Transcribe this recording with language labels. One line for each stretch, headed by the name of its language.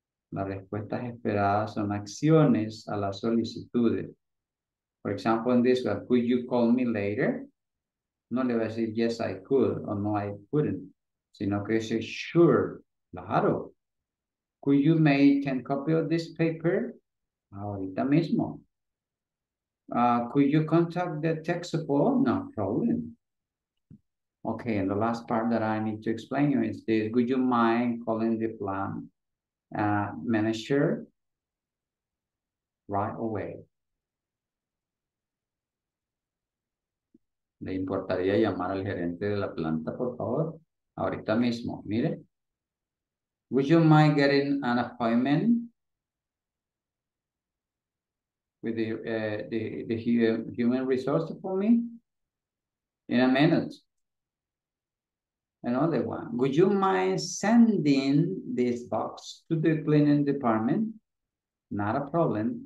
Spanish: Las respuestas esperadas son acciones a las solicitudes.
English: For example, in this one, could you call me later?
Spanish: No le va a decir
English: yes I could
Spanish: o
English: no I couldn't,
Spanish: sino que dice sure. Claro.
English: Could you make 10 copies of this paper?
Spanish: Ahorita mismo.
English: Could you contact the tech support? No problem. Okay, and the last part that I need to explain you is this. Would you mind calling the plan manager right away?
Spanish: ¿Le importaría llamar al gerente de la planta, por favor? Ahorita mismo, mire.
English: Would you mind getting an appointment with the human resource for me in a minute? Another one. Would you mind sending this box to the cleaning department? Not a problem.